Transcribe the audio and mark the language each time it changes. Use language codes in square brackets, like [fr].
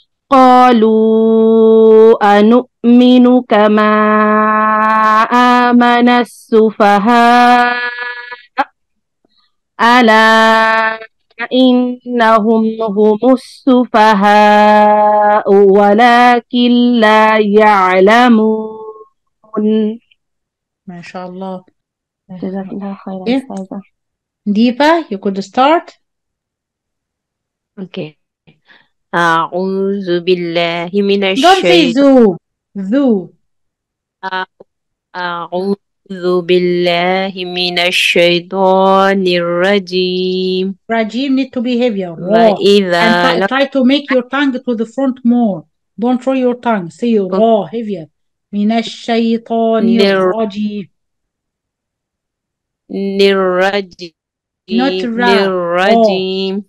[ar] قالوا أنؤمن كما آمن السفهاء. ألا إنهم هم السفهاء ولكن لا يعلمون. ما شاء الله جزاك الله خير إيه أستاذة. [en] Deepa you could start [ar] أوكي أعوذ بالله من [en] don't say [ar] الشيطان. ذو أعوذ بالله من الشيطان الرجيم. [en] regime need to be heavier raw [ar] وإذا [en] and try to make your tongue to the front more don't throw your tongue say raw heavier [ar] من الشيطان الرجيم للرجيم [en] not ra raw [ar] للرجيم